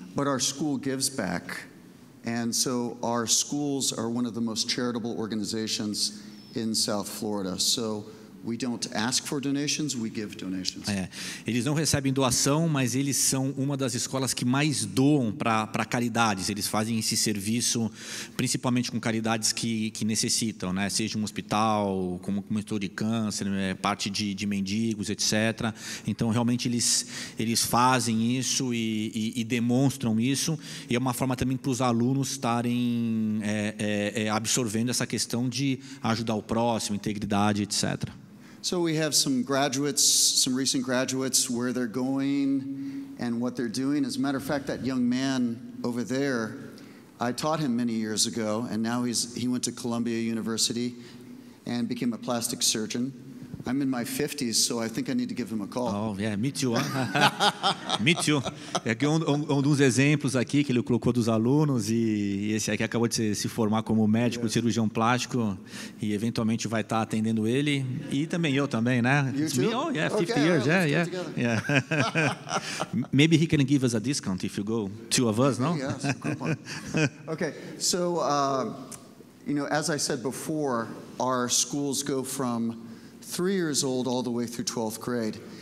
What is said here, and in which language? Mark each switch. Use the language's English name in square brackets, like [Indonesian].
[English] But our school gives back, and so our schools are one of the most charitable organizations in South Florida. So We don't ask for donations, we give donations. [Portuguese] É, eles não recebem doação, mas eles são uma das escolas que mais doam para caridades. Eles fazem esse serviço principalmente com caridades que necessitam, né? Seja um hospital, como comentou, de câncer, parte de mendigos, etc. Então, realmente, eles fazem isso e demonstram isso. E é uma forma também para os alunos estarem absorvendo essa questão de ajudar o próximo, integridade, etc. [English] So we have some graduates, some recent graduates, where they're going and what they're doing. As a matter of fact, that young man over there, I taught him many years ago, and now he went to Columbia University and became a plastic surgeon. I'm in my 50s, so I think I need to give him a call. Oh, yeah, me too. Me too. [Portuguese] É que um dos exemplos aqui que ele colocou dos alunos, e esse aqui acabou de se formar como médico, yes, cirurgião plástico, e eventualmente vai estar atendendo ele, e também eu também, né? [English] You too? Me? Oh, yeah, 50 okay, years, yeah, yeah, yeah. Maybe he can give us a discount if you go, two of us, no? Yes, okay, so, you know, as I said before, our schools go from 3 years old all the way through 12th grade.